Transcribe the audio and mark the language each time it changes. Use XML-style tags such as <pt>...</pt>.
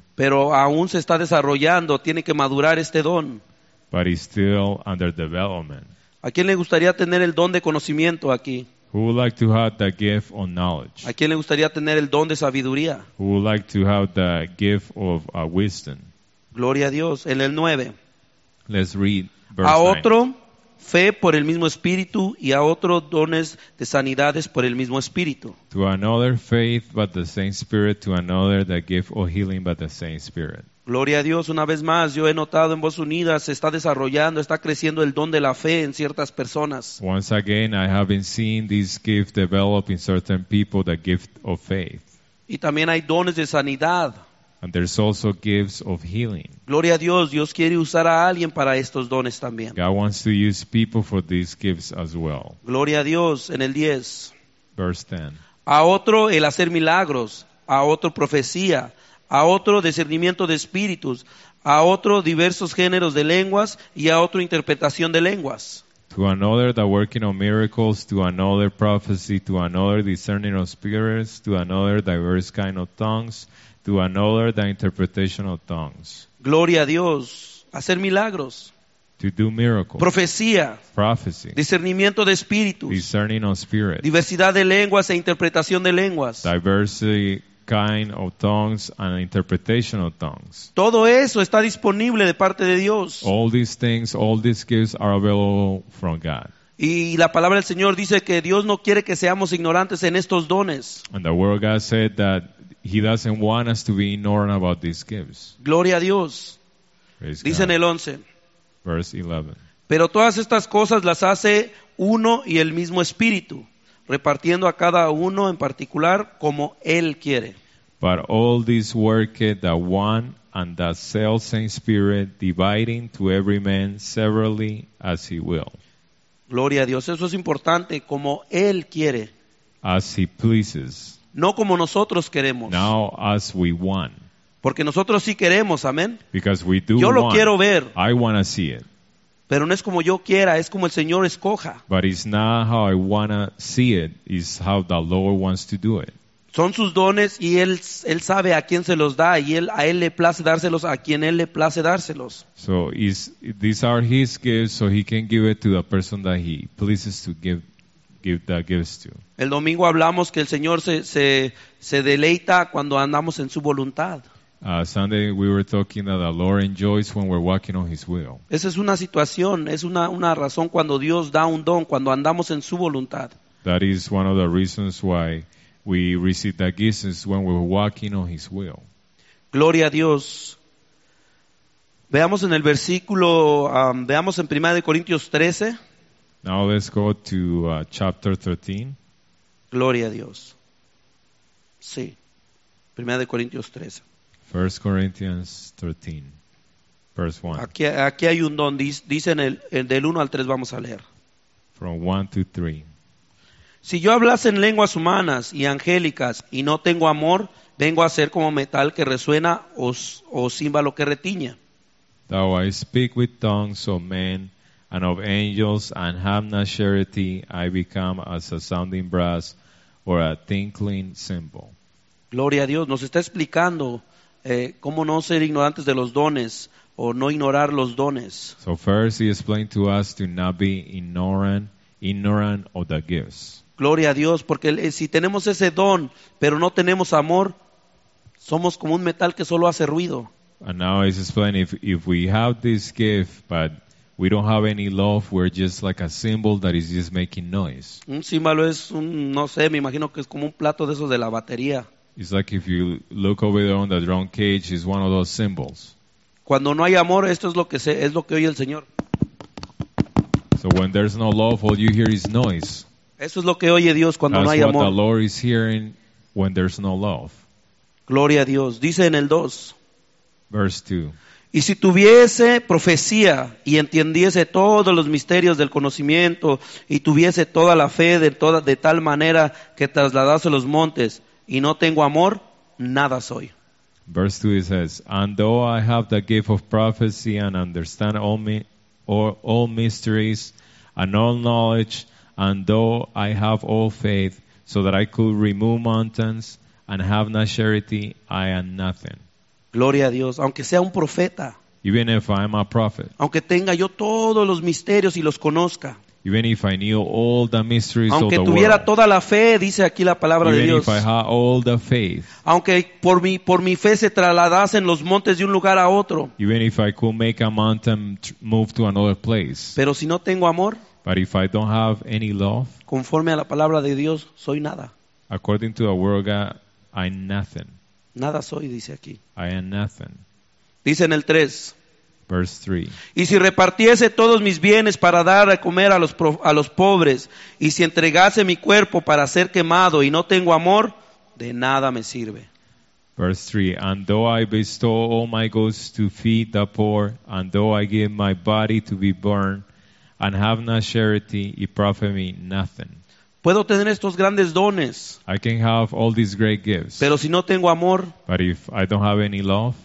<es>Pero aún se está desarrollando, tiene que madurar este don.</es> <en>But it's still under development.</en> <es>¿A quién le gustaría tener el don de conocimiento aquí?</es> <en>Who would like to have the gift of knowledge?</en> <es>¿A quién le gustaría tener el don de sabiduría?</es> <en>Who would like to have the gift of wisdom?</en> <es>Gloria a Dios. En el 9.</es> <en>Let's read verse</en> <es>a otro</es> <en>9.</en> <es>Fe por el mismo espíritu y a otro dones de sanidades por el mismo espíritu.</es> <en>To another faith but the same spirit, to another the gift of healing but the same spirit.</en> <es>Gloria a Dios, una vez más, yo he notado en Voz Unida, se está desarrollando, está creciendo el don de la fe en ciertas personas.</es> <en>Once again, I have been seeing this gift develop in certain people, the gift of faith.</en> <es>Y también hay dones de sanidad.</es> <en>And there's also gifts of healing.</en> <es>Gloria a Dios, Dios quiere usar a alguien para estos dones también.</es> <en>God wants to use people for these gifts as well.</en> <es>Gloria a Dios, en el 10.</es> <en>Verse 10.</en> <es>A otro el hacer milagros, a otro profecía, a otro discernimiento de espíritus, a otro diversos géneros de lenguas y a otro interpretación de lenguas.</es> <en>To another the working of miracles, to another prophecy, to another discerning of spirits, to another diverse kind of tongues, to another the interpretation of tongues.</en> <es>Gloria a Dios, hacer milagros.</es> <en>To do miracles.</en> <es>Profecía.</es> <en>Prophecy.</en> <es>Discernimiento de espíritus.</es> <en>Discerning of spirits.</en> <es>Diversidad de lenguas e interpretación de lenguas.</es> <en>Diversity kind of tongues and interpretation of tongues.</en> <es>Todo eso está disponible de parte de Dios.</es> <en>All these things, all these gifts are available from God.</en> <es>Y la palabra del Señor dice que Dios no quiere que seamos ignorantes en estos dones.</es> <en>And the word of God said that He doesn't want us to be ignorant about these gifts.</en> <es>Gloria a Dios.</es> <en>Praise</en> <es>dice</es> <en>God.</en> <es>En el 11.</es> <en>Verse 11.</en> <es>Pero todas estas cosas las hace uno y el mismo Espíritu, repartiendo a cada uno en particular como Él quiere.</es> <en>But all this work the one and the selfsame Spirit, dividing to every man severally as He will.</en> <es>Gloria a Dios. Eso es importante. Como Él quiere.</es> <en>As He pleases.</en> <es>No como nosotros queremos.</es> <en>Now as we want.</en> <es>Porque nosotros sí queremos, amén.</es> <en>Because we do</en> <es>yo lo</es> <en>want.</en> <es>Quiero ver.</es> <en>I want to see it.</en> <es>Pero no es como yo quiera, es como el Señor escoja.</es> <en>But it's not how I want to see it, it's how the Lord wants to do it.</en> <es>Son sus dones y él sabe a quién se los da y a él le place dárselos a quien él le place dárselos.</es> <en>So these are his gifts, so he can give it to the person that he pleases to give that gifts to.</en> <es>El domingo hablamos que el Señor se deleita cuando andamos en su voluntad.</es> <en>Sunday we were talking that the Lord enjoys when we're walking on His will.</en> <es>Esa es una situación, es una razón cuando Dios da un don, cuando andamos en su voluntad.</es> <en>That is one of the reasons why we receive that gift is when we're walking on His will.</en> <es>Gloria a Dios. Veamos en el versículo, veamos en 1 Corintios 13.</es> <en>Now let's go to chapter 13.</en> <es>Gloria a Dios. Sí. 1 Corintios 13.</es> <en>1 Corinthians 13, verse 1.</en> <es>Aquí hay un don, dicen del 1 al 3 vamos a leer.</es> <en>From 1 to 3.</en> <es>Si yo hablase en lenguas humanas y angélicas y no tengo amor, vengo a ser como metal que resuena o címbalo que retiña.</es> <en>Though I speak with tongues of men and of angels and have not charity, I become as a sounding brass or a tinkling cymbal.</en> <es>Gloria a Dios, nos está explicando. ¿Cómo no ser ignorantes de los dones o no ignorar los dones?</es> <en>So first he explained to us to not be ignorant of the gifts.</en> <es>Gloria a Dios, porque si tenemos ese don pero no tenemos amor, somos como un metal que solo hace ruido.</es> <en>And now he's explaining if we have this gift but we don't have any love, we're just like a cymbal that is just making noise.</en> <es>Un címbalo es un, no sé, me imagino que es como un plato de esos de la batería.</es> <en>It's like if you look over there on the drum cage, it's one of those symbols.</en> <es>Cuando no hay amor, esto es lo que es lo que oye el Señor.</es> <en>So when there's no love, all you hear is noise.</en> <es>Eso es lo que oye Dios cuando</es> <en>that's</en> <es>no hay</es> <en>what</en> <es>amor.</es> <en>The Lord is hearing when there's no love.</en> <es>Gloria a Dios. Dice en el 2.</es> <en>Verse 2.</en> <es>Y si tuviese profecía y entendiese todos los misterios del conocimiento y tuviese toda la fe de tal manera que trasladase los montes, y no tengo amor, nada soy.</es> <en>Verse 2 it says, and though I have the gift of prophecy and understand all mysteries and all knowledge, and though I have all faith so that I could remove mountains and have not charity, I am nothing.</en> <es>Gloria a Dios, aunque sea un profeta.</es> <en>Even if I am a prophet.</en> <es>Aunque tenga yo todos los misterios y los conozca.</es> <en>Even if I knew all the mysteries</en> <es>aunque</es> <en>of the</en> <es>tuviera</es> <en>world,</en> <es>toda la fe, dice aquí la palabra</es> <en>even</en> <es>de Dios,</es> <en>if I had all the faith,</en> <es>aunque por mi fe se trasladasen los montes de un lugar a otro,</es> <en>even if I could make a mountain move to another place,</en> <es>pero si no tengo amor,</es> <en>but if I don't have any love,</en> <es>conforme a la palabra de Dios, soy nada.</es> <en>According to the word of God, I'm nothing.</en> <es>Nada soy, dice aquí.</es> <en>I am nothing.</en> <es>Dice en el 3.</es> <en>Verse 3.</en> <es>Y si repartiese todos mis bienes para dar a comer a los pobres, y si entregase mi cuerpo para ser quemado y no tengo amor, de nada me sirve.</es> <en>Verse 3. And though I bestow all my goods to feed the poor, and though I give my body to be burned, and have no charity, it profit me nothing.</en> <es>Puedo tener estos grandes dones.</es> <en>I can have all these great gifts.</en> <es>Pero si no tengo amor,</es> <en>but if I don't have any love,</en>